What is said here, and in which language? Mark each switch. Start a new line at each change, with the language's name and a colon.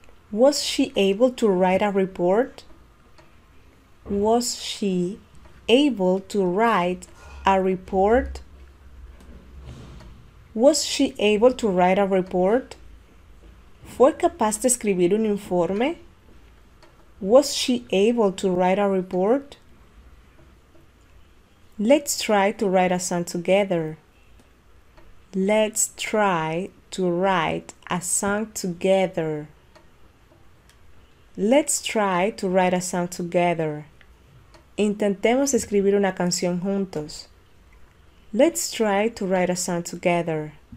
English: Was she able to write a report? Was she able to write a report? Was she able to write a report?
Spanish: ¿Fue capaz de escribir un informe?
English: Was she able to write a report? Let's try to write a song together. Let's try to write a song together. Let's try to write a song together.
Spanish: Intentemos escribir una canción juntos.
English: Let's try to write a song together.